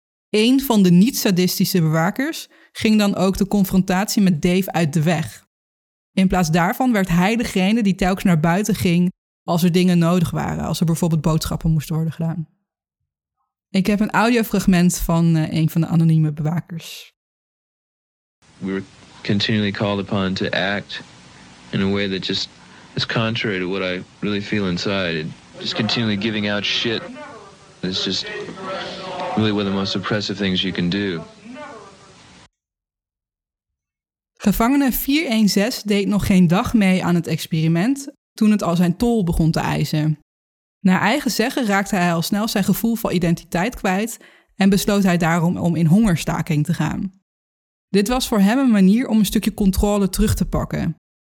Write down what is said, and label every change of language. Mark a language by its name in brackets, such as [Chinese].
[Dutch] Eén van de niet-sadistische bewakers ging dan ook de confrontatie met Dave uit de weg. In plaats daarvan werd hij degene die telkens naar buiten ging als er dingen nodig waren. Als er bijvoorbeeld boodschappen moesten worden gedaan. Ik heb een audiofragment van een van de anonieme bewakers. [English] We were continually called upon to act in a way that just is contrary to what I really feel inside. Just continually giving out shit. It's just really one of the most oppressive things you can do. [Dutch] Gevangene 416 deed nog geen dag mee aan het experiment toen het al zijn tol begon te eisen. Naar eigen zeggen raakte hij al snel zijn gevoel van identiteit kwijt en besloot hij daarom om in hongerstaking te gaan. Dit was voor hem een manier om een stukje controle terug te pakken.